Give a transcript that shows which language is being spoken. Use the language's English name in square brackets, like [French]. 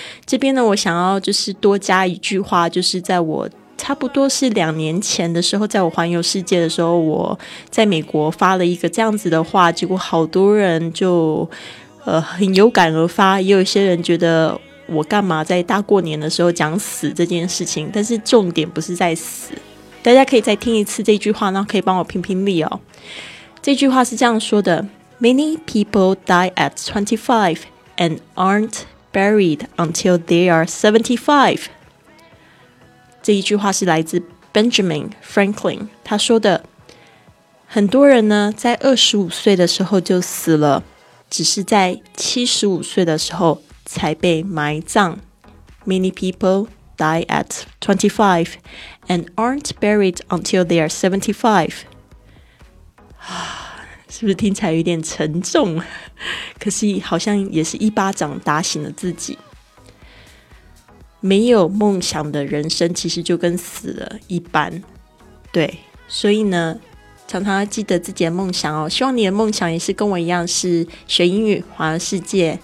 [Chinese] 这边呢，我想要就是多加一句话，就是在我差不多是两年前的时候，在我环游世界的时候，我在美国发了一个这样子的话，结果好多人就很有感而发，也有一些人觉得我干嘛在大过年的时候讲死这件事情，但是重点不是在死。大家可以再听一次这句话，然后可以帮我评评理哦。这句话是这样说的， [English] Many people die at 25 and aren't buried until they are 75. [Chinese] 这一句话是来自 Benjamin Franklin， 他说的，很多人呢在25岁的时候就死了，只是在75岁的时候才被埋葬。 [English] Many people die at 25 and aren't buried until they are 75. [Chinese] 是不是听起来有点沉重？可是好像也是一巴掌打醒了自己。没有梦想的人生其实就跟死了一般。对，所以呢，常常要记得自己的梦想哦，希望你的梦想也是跟我一样，是学英语环游世界。